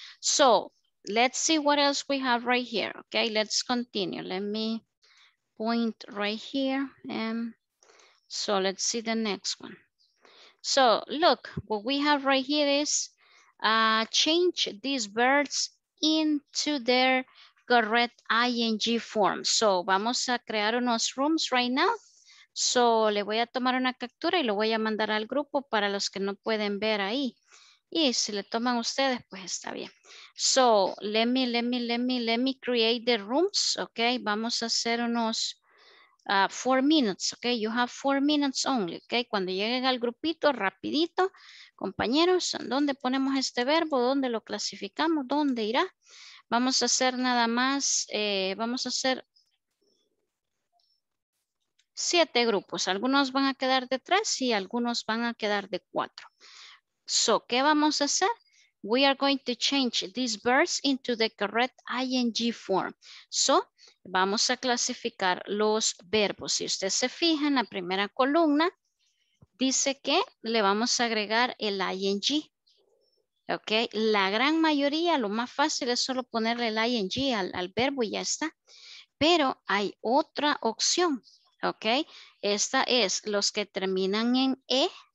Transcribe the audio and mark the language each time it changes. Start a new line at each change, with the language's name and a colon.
English: So let's see what else we have right here, okay? Let's continue. Let me point right here. So let's see the next one. So look, what we have right here is change these verbs into their correct ing form.
Spanish: So vamos a crear unos rooms
English: right now.
Spanish: So le voy a tomar una captura y lo voy a mandar al grupo para los que no pueden ver ahí. Y si le toman ustedes, pues está bien.
English: So let me create the rooms, okay?
Spanish: Vamos a hacer unos 4 minutes, okay?
English: You have 4 minutes only, okay?
Spanish: Cuando lleguen al grupito, rapidito, compañeros, ¿dónde ponemos este verbo? ¿Dónde lo clasificamos? ¿Dónde irá? Vamos a hacer nada más, vamos a hacer 7 grupos. Algunos van a quedar de 3 y algunos van a quedar de 4. So, ¿qué vamos a hacer?
English: We are going to change these verbs into the correct ing form.
Spanish: So, vamos a clasificar los verbos. Si usted se fija en la primera columna, dice que le vamos a agregar el ing. Ok, la gran mayoría, lo más fácil es solo ponerle el ing al verbo y ya está. Pero hay otra opción. Ok, esta es los que terminan en e.